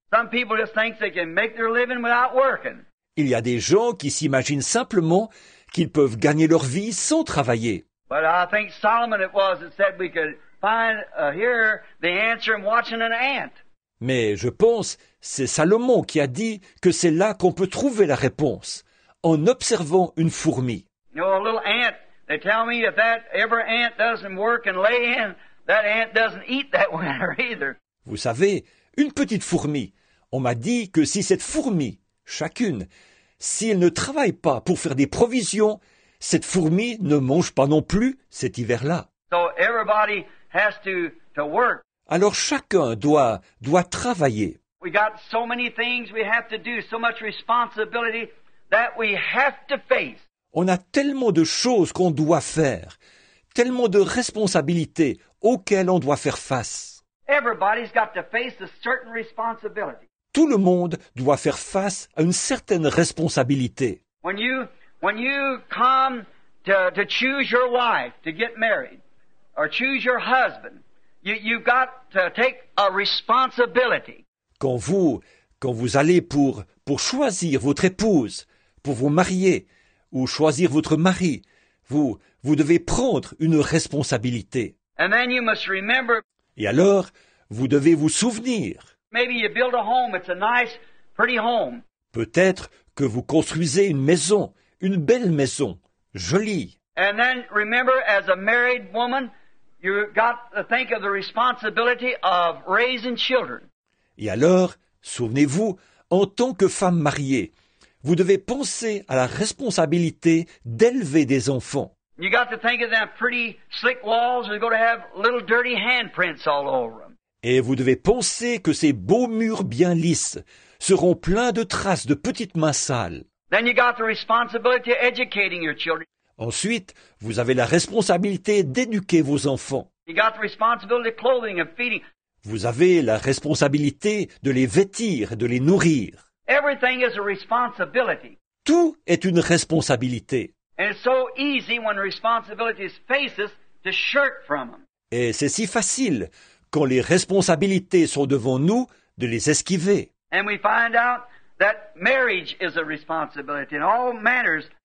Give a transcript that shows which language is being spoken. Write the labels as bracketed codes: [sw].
[en] Some people just think they can make their living without working. [fr] Il y a des gens qui s'imaginent simplement qu'ils peuvent gagner leur vie sans travailler. [en] But I think Solomon it was that said we could find here the answer in watching an ant. [fr] Mais je pense c'est Salomon qui a dit que c'est là qu'on peut trouver la réponse en observant une fourmi. [en] You know, a little ant, they tell me if that ever ant doesn't work and lay in, that ant doesn't eat that winter either. [fr] Vous savez, une petite fourmi, on m'a dit que si cette fourmi, chacune, si elle ne travaille pas pour faire des provisions, cette fourmi ne mange pas non plus cet hiver-là. [en] So everybody has to work. [fr] Alors chacun doit travailler. [en] We got so many things we have to do, so much responsibility that we have to face. [fr] On a tellement de choses qu'on doit faire, tellement de responsabilités auxquelles on doit faire face. [en] Everybody's got to face a certain responsibility. [fr] Tout le monde doit faire face à une certaine responsabilité. [en] When you come to choose your wife to get married or choose your husband, you've got to take a responsibility. [fr] Quand vous allez pour choisir votre épouse, pour vous marier, ou choisir votre mari, vous devez prendre une responsabilité. [en] And then you must remember. [fr] Et alors, vous devez vous souvenir. [en] Maybe you build a home, it's a nice, pretty home. [fr] Peut-être que vous construisez une maison, une belle maison, jolie. [en] And then remember, as a married woman, you got to think of the responsibility of raising children. [fr] Et alors, souvenez-vous, en tant que femme mariée, vous devez penser à la responsabilité d'élever des enfants. [en] You got to think of that pretty slick walls are going to have little dirty handprints all over them. [fr] Et vous devez penser que ces beaux murs bien lisses seront pleins de traces de petites mains sales. [en] Then you got the responsibility of educating your children. [fr] Ensuite, vous avez la responsabilité d'éduquer vos enfants. [en] You got the responsibility of clothing and feeding. [fr] Vous avez la responsabilité de les vêtir et de les nourrir. [en] Everything is a responsibility. [fr] Tout est une responsabilité. [en] And it's so easy when responsibility is faced to shirk from them. [fr] Et c'est si facile quand les responsabilités sont devant nous de les esquiver. [en] And we find out that marriage is a responsibility in all manners.